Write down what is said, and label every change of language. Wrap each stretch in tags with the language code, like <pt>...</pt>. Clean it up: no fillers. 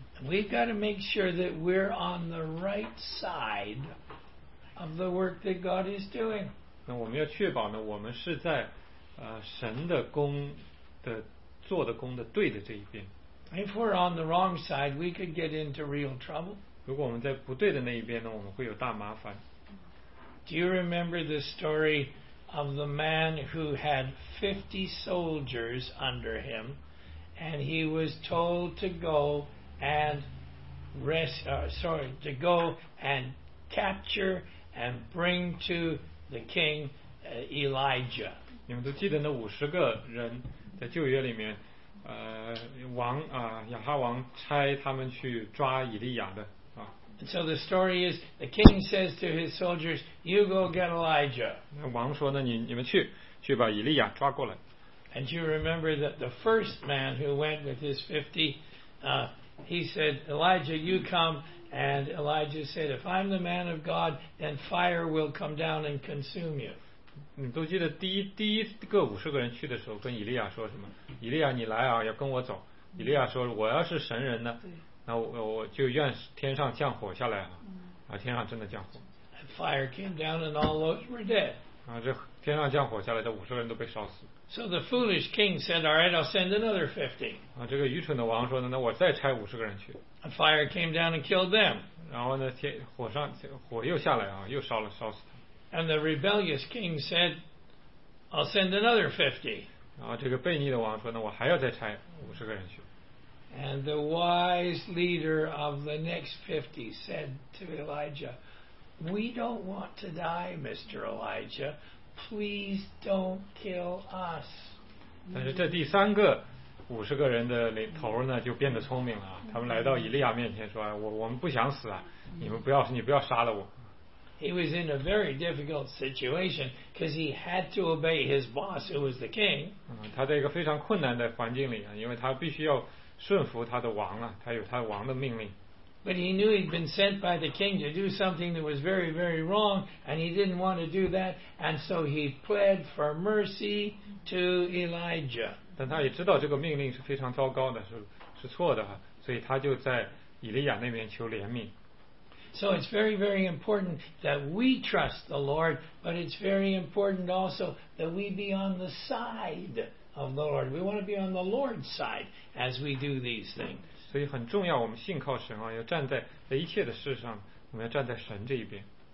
<en>We've got to make sure that we're on the right side of the work that God is doing.</en> <zh>那我们要确保呢，我们是在神的工的做的工的对的这一边。</zh> <en>If we're on the wrong side, we could get into real trouble.</en> <zh>如果我们在不对的那一边呢，我们会有大麻烦。</zh> <en>Do you remember the story of the man who had 50 soldiers under him, and he was told to go and to go and capture and bring to the king Elijah.</en> <zh>你们都记得那五十个人在旧约里面，王啊，亚哈王差他们去抓以利亚的啊。</zh> <en>And so the story is, the king says to his soldiers, "You go get Elijah."</en> <zh>那王说呢，你们去把以利亚抓过来。</zh> <en>And you remember that the first man who went with his 50, he said, Elijah, you come. And Elijah said, if I'm the man of God, then fire will come down and consume you.</en> <zh>你都记得第一个五十个人去的时候跟以利亚说什么，以利亚你来啊，要跟我走。以利亚说，我要是神人呢，那我就愿天上降火下来啊，然后天上真的降火。</zh> <en>And fire came down and all those were dead.</en> <zh>然后这天上降火下来，这五十个人都被烧死。</zh> <en>So the foolish king said, all right, I'll send another 50.</en> <zh>这个愚蠢的王说呢，那我再差五十个人去。</zh> <en>A fire came down and killed them.</en> <zh>然后呢，火又下来啊，又烧死他。</zh> <en>And the rebellious king said, I'll send another 50.</en> <zh>然后这个悖逆的王说呢，我还要再差五十个人去。</zh> <en>And the wise leader of the next 50 said to Elijah, we don't want to die, Mr. Elijah. Please don't kill us.</en> <zh>但是这第三个五十个人的头呢就变得聪明了，他们来到以利亚面前说，我们不想死啊，你不要杀了我。</zh> <en>He was in a very difficult situation because he had to obey his boss, who was the king.</en> <zh>他在一个非常困难的环境里啊，因为他必须要顺服他的王啊，他有他王的命令。</zh> <en>But he knew he'd been sent by the king to do something that was very, very wrong, and he didn't want to do that, and so he pled for mercy to Elijah.</en> <zh>但他也知道这个命令是非常糟糕的，是错的，所以他就在以利亚那边求怜悯。</zh> <en>So it's very, very important that we trust the Lord, but it's very important also that we be on the side of the Lord. We want to be on the Lord's side as we do these things.</en> <zh>所以很重要，我们信靠神啊，要站在一切的事上，我们要站在神这一边。</zh>